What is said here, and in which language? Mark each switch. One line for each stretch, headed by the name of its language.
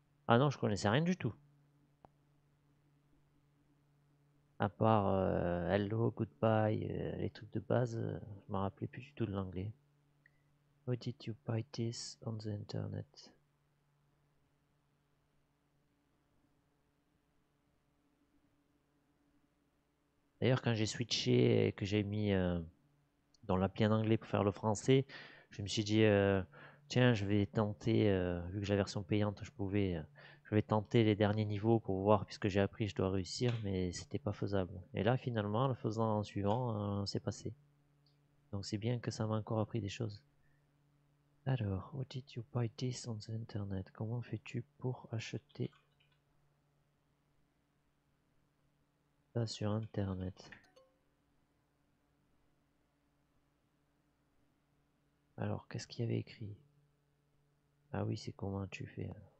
French: Ah non, je connaissais rien du tout. À part hello, goodbye, les trucs de base, je m'en rappelais plus du tout de l'anglais.
English: How did you buy this on the internet?
French: D'ailleurs, quand j'ai switché et que j'ai mis dans l'appli en anglais pour faire le français, je me suis dit tiens, je vais tenter, vu que j'ai la version payante, je vais tenter les derniers niveaux pour voir, puisque j'ai appris, je dois réussir, mais c'était pas faisable. Et là, finalement, en le faisant en suivant, c'est passé. Donc, c'est bien que ça m'a encore appris des choses. Alors,
English: how did you buy this on the internet?
French: Comment fais-tu pour acheter ça sur internet? Alors, qu'est-ce qu'il y avait écrit? Ah oui, c'est comment tu fais?